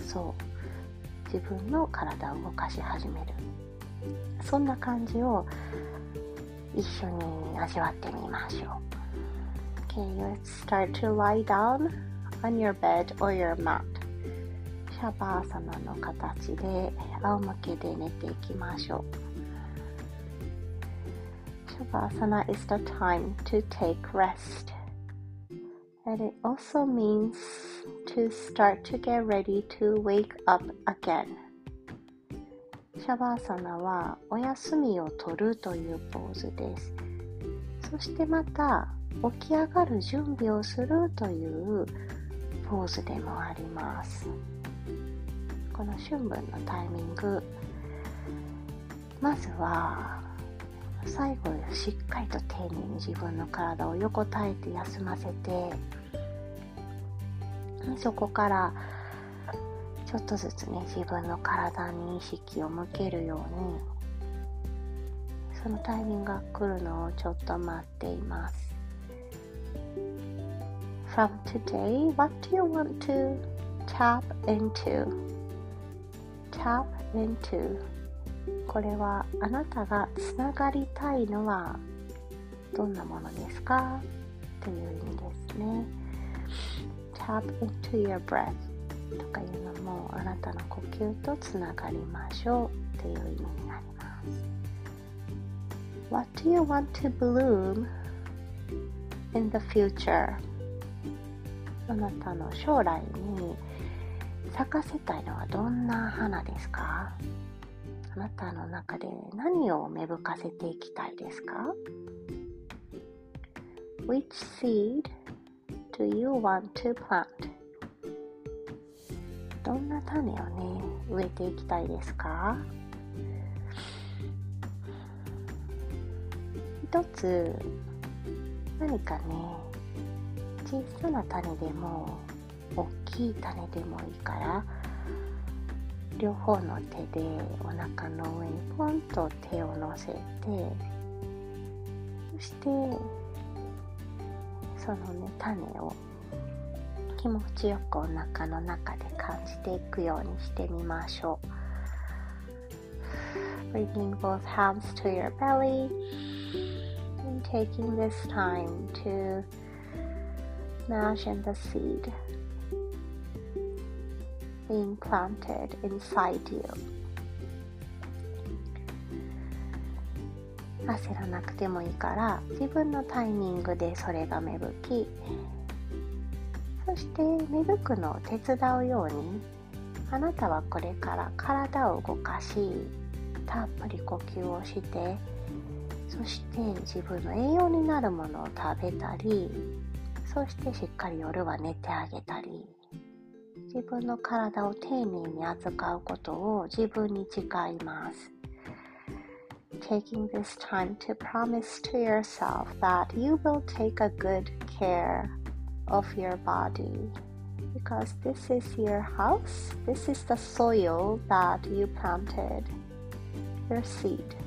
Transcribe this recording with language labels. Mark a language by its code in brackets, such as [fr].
[ja] そう、自分の体を動かし始める、そんな感じを一緒に味わってみましょう。 [en] Okay, let's start to lie down on your bed or your mat. [ja] シャバーサナの形で仰向けで寝ていきましょう。 [en] シャバーサナ is the time to take rest. And it also means to start to get ready to wake up again. [ja] シャバーサナはお休みを取るというポーズです。そしてまた起き上がる準備をするというポーズでもあります。この春分のタイミング、まずは最後にしっかりと丁寧に自分の体を横たえて休ませて、そこからちょっとずつね、自分の体に意識を向けるように、そのタイミングが来るのをちょっと待っています。 [en] From today, what do you want to tap into? Tap into. [ja] これはあなたがつながりたいのはどんなものですか？という意味ですね。 [en] Tap into your breath. [ja] とかいうのもあなたの呼吸とつながりましょうっていう意味になります。 [en] What do you want to bloom in the future? [ja] あなたの将来に咲かせたいのはどんな花ですか？あなたの中で何を芽吹かせていきたいですか？ [en] Which seed do you want to plant? [ja] どんな種をね、植えていきたいですか？一つ、何かね、小さな種でも、大きい種でもいいから、両方の手でお腹の上にポンと手を乗せて、そして、そのね、種を、気持ちよくお腹の中で感じていくようにしてみましょう。 [en] Bringing both hands to your belly and taking this time to imagine the seed being planted inside you. [ja] 焦らなくてもいいから、自分のタイミングでそれが芽吹き、そして芽吹くのを手伝うように、あなたはこれから体を動かし、たっぷり呼吸をして、そして自分の栄養になるものを食べたり、そしてしっかり夜は寝てあげたり、自分の体を丁寧に扱うことを自分に誓います。 [en] Taking this time to promise to yourself that you will take a good careof your body, because this is your house, this is the soil that you planted your seed.